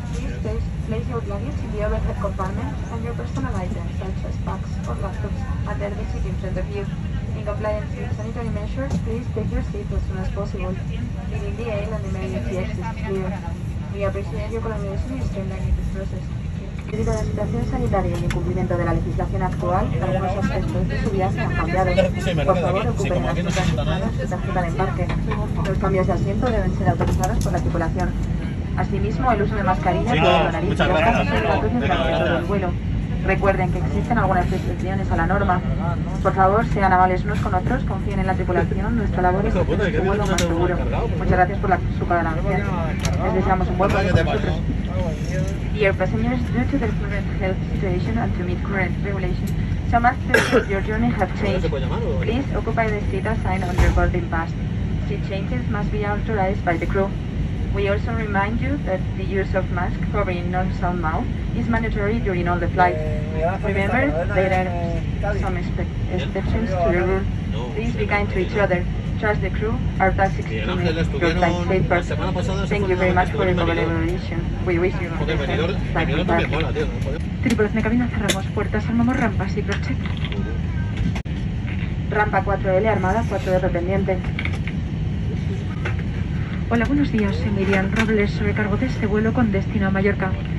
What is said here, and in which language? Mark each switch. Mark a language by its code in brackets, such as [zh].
[en] Please test, place your luggage in the overhead compartment and your personal items such as bags or laptops at their seat in front of you. In compliance with sanitary measures, please take your seat as soon as possible. Leaving the aisle and the emergency exits clear. We appreciate your collaboration in streamlining this process. [es] Debido a la situación sanitaria y en cumplimiento de la legislación actual, algunos aspectos de su viaje han cambiado. Por favor, ocupen las sillas asignadas en la tarjeta de embarque. Los cambios de asiento deben ser autorizados por la tripulación. Asimismo, el uso de mascarilla y de nariz y boca es obligatorio durante todo el vuelo. Recuerden que existen algunas restricciones a la norma. Por favor, sean amables unos con otros, confíen en la tripulación. Nuestra labor es hacer su vuelo más seguro. Muchas gracias por su colaboración. Les deseamos un buen vuelo con nosotros. [en] Dear passengers, due to the current health situation and to meet current regulations, some aspects of your journey have changed. Please occupy the seat assigned on your boarding pass. Seat changes must be authorized by the crew. We also remind you that the use of mask covering nose and mouth is mandatory during all the flights. Remember, there are some exceptions to the rule. Please be kind to each other. Trust the crew, our task is to make your flight safer. Thank you very much for your collaboration. We wish you a safe flight. [es] Tripulación de cabina, cerramos puertas, armamos rampas y procheck. Rampa 4L armada, 4R pendiente. Hola, buenos días, soy Miriam Robles, sobre cargo de este vuelo con destino a Mallorca.